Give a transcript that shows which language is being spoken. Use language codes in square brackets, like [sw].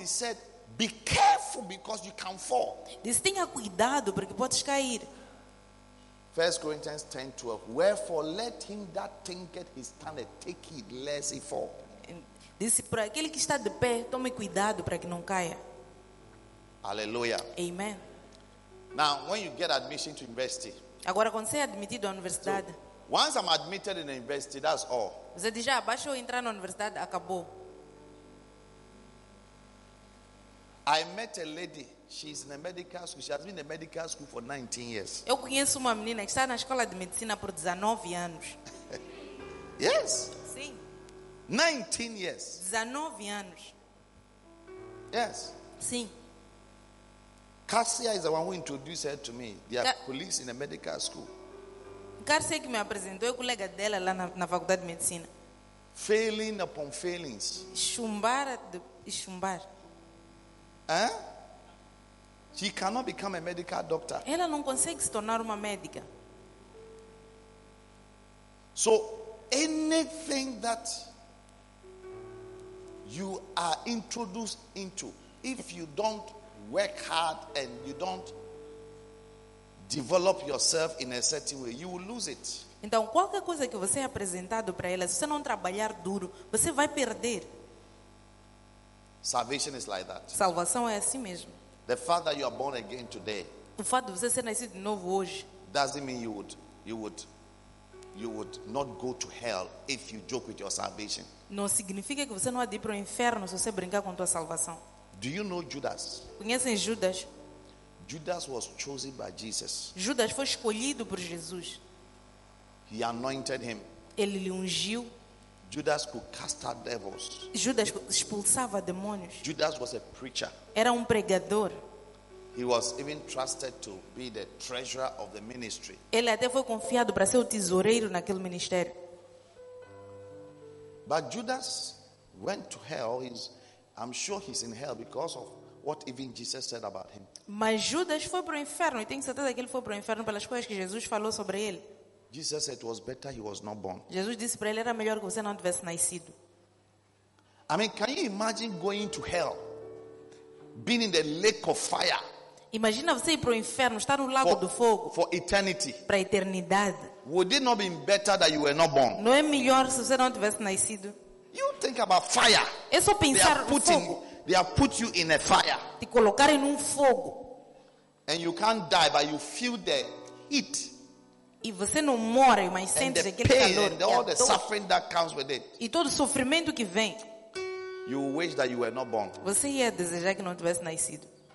[en] he said, be careful because you can fall. [pt] Diz, tenha cuidado, porque podes cair. [en] 1 Corinthians 10:12. Wherefore let him that thinketh he standeth take heed lest he fall. [pt] Disse para aquele que está de pé, tome cuidado para que não caia. Aleluia. [en] Amen. Now, when you get admission to university. [pt] Agora quando você é admitido à universidade. [en] So, once I'm admitted in a university, that's all. [pt] Você diz, já baixou entrar na universidade, acabou. [en] I met a lady. She's in a medical school. She has been in a medical school for 19 years. [pt] Eu conheço uma menina que está na escola de medicina por 19 anos. [en] Yes. [pt] Sim. [en] 19 years. [pt] 19 anos. [en] Yes. [pt] Sim. [en] Cassia is the one who introduced her to me. They are colleagues in a medical school. [pt] Cassia que me apresentou é colega dela lá na faculdade de medicina. [en] Failing upon failings. [pt] Chumbar e chumbar. Hein? [en] She cannot become a medical doctor. [pt] Ela não consegue se tornar uma médica. [en] So, anything that you are introduced into, if you don't work hard and you don't develop yourself in a certain way, you will lose it. [pt] Então, qualquer coisa que você é apresentado para ela, se você não trabalhar duro, você vai perder. [en] Salvation is like that. [pt] Salvação é assim mesmo. [en] The fact that you are born again today, [pt] o fato de você ser nascido de novo hoje, [en] doesn't mean you would not go to hell if you joke with your salvation. [pt] Não significa que você não há de ir para o inferno se você brincar com tua salvação. [en] Do you know Judas? [pt] Conhecem Judas? [en] Judas was chosen by Jesus. [pt] Judas foi escolhido por Jesus. [en] He anointed him. [pt] Ele lhe ungiu. [en] Judas could cast out devils. [pt] Judas expulsava demônios. [en] Judas was a preacher. [pt] Era pregador. [en] He was even trusted to be the treasurer of the ministry. [pt] Ele até foi confiado para ser o tesoureiro naquele ministério. [en] But Judas went to hell. I'm sure he's in hell because of what even Jesus said about him. [pt] Mas Judas foi para o inferno. E tenho certeza que ele foi para o inferno pelas coisas que Jesus falou sobre ele. [en] Jesus said it was better he was not born. [pt] Jesus disse para ele era melhor que você não tivesse nascido. [en] I mean, can you imagine going to hell? Being in the lake of fire. [pt] Imagina você ir para o inferno, estar no lago do fogo. [en] For eternity. [pt] Para a eternidade. [en] Would it not be better that you were not born? [pt] Não é melhor se você não tivesse nascido? [en] You think about fire. [pt] É só pensar no fogo. [en] They have put you in a fire. [pt] Te colocaram num fogo. [en] And you can't die but you feel the heat. [pt] E você não morre, mas sente aquele calor. [en] And all the suffering that comes with it. [pt] E todo o sofrimento que vem. [en] You wish that you were not born. [pt] Você ia desejar que não tivesse nascido.